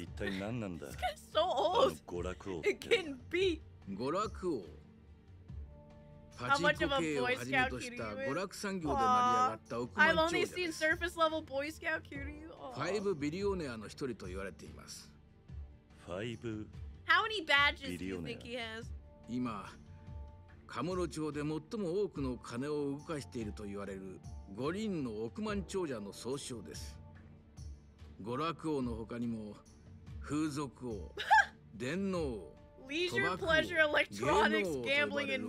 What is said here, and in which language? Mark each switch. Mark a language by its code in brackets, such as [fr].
[ja] 一体何なんだ。 [en] This guy's so old. [ja] 娯楽王。 [en] It can be. [ja] 娯楽王。パチンコ系をはじめとした娯楽産業で成り上がった億万長者です。 [en] I've only seen surface level boy scout cutie. [ja] 5ビリオネアの一人と言われています。 5 [en] How many badges do you think he has? [ja] 今、カムロ町で最も多くの金を動かしていると言われる五輪の億万長者の総称です。娯楽王の他にも、風俗王、電脳王、賭博王、 [en] Leisure, pleasure, [ja] 芸能王と呼ばれる